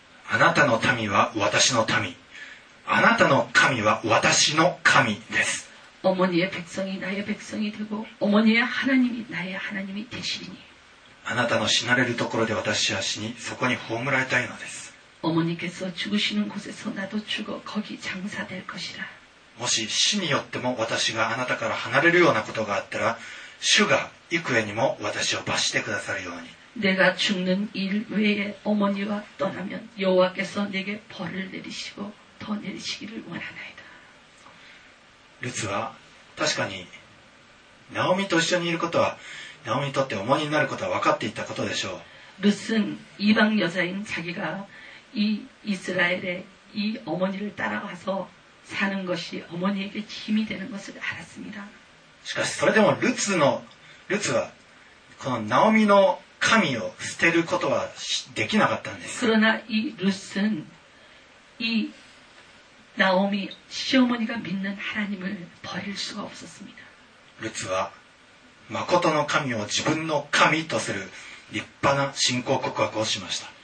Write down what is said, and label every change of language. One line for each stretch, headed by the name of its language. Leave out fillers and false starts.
Japanese: あなたの民は私の民、あなたの神は私の神です。
Korean: 어머니의백성이나의백성이되고、어머니의하나님이나의하나님이되시니。
Japanese: あなたの死なれるところで私は死に、そこに葬られたいのです。
Korean: 어머니께서죽으시는곳에서나도죽어거기장사될것이라
Japanese: もし死によっても私があなたから離れるようなことがあったら主が幾重にも私を罰してくださるように
Korean: 내가죽는일외에어머니와떠나면여호와께서내게벌을내리시고더내리시기를원하나이다
Japanese: ルツは確かにナオミと一緒にいることはナオミにとって어머니になることは分かっていたことでしょう
Korean: 루스는이방여자인자기가이이스라엘의이어머니를따라가서사는것이어머니에게힘이되는것을알았습니다
Japanese: しかしそれでもルツのルツはこのナオミの神を捨てることはできなかったんです
Korean: 그러나이루스는이나오미시어머니가믿는하나님을버릴수가없었습니다
Japanese: ルツは真の神を自分の神とする立派な信仰告白をしました。